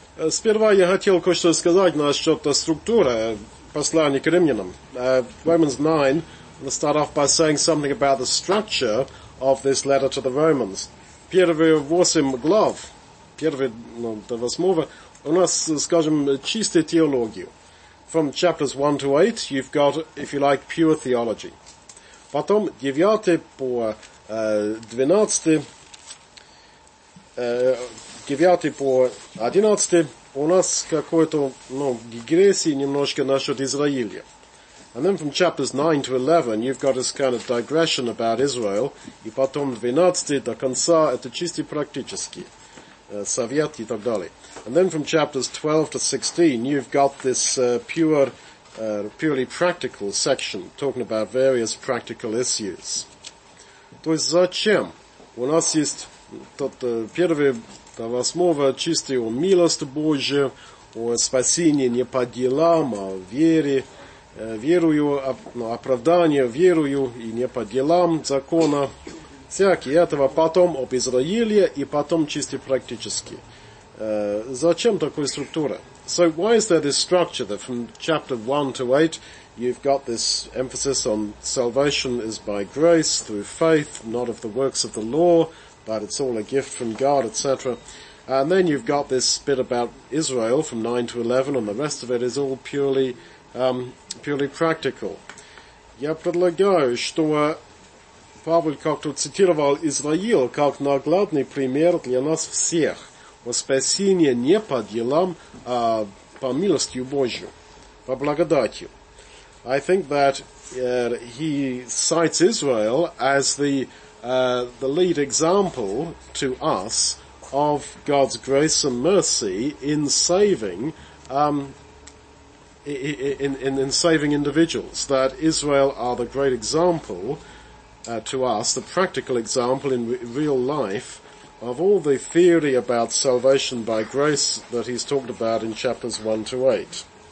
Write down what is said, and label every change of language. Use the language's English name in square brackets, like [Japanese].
[Russian] Сперва я хотел кое-что сказать насчет структуры послания к Римлянам. [English] Romans 9, let's start off by saying something about the structure of this letter to the Romans. [Russian] Первые 8 глав, до 8, у нас, скажем, чистая теология. [English] From chapters 1 to 8, you've got, if you like, pure theology. [Russian] Потом 9 по 12, 9 по 11, у нас какой-то, дигрессии немножко насчет Израиля. [English] And then from chapters 9 to 11, you've got this kind of digression about Israel. [Russian] И потом 12 до конца, это чисто практически. Совет и так далее. [English] And then from chapters 12 to 16, you've got this purely practical section, talking about various practical issues. [Russian] То есть зачем? У нас есть тот первый... До восьмого чисто о милости Божьей, о спасении не по делам, а вере, верую, оправдание верую и не по делам закона, всякие этого, потом об Израиле и потом чисто практически. Зачем такая структура? [English] So why is there this structure that from chapter 1 to 8 you've got this emphasis on salvation is by grace, through faith, not of the works of the law, but it's all a gift from God, etc. And then you've got this bit about Israel from 9 to 11, and the rest of it is all purely purely practical. [Russian] Я предлагаю, что Павел как-то цитировал Израиль как наглядный пример для нас всех. О спасении не по делам, а по милостью Божью, по благодатью. [English] I think that he cites Israel as the lead example to us of God's grace and mercy in saving in saving individuals, that Israel are the great example to us, the practical example in real life of all the theory about salvation by grace that he's talked about in chapters 1 to 8.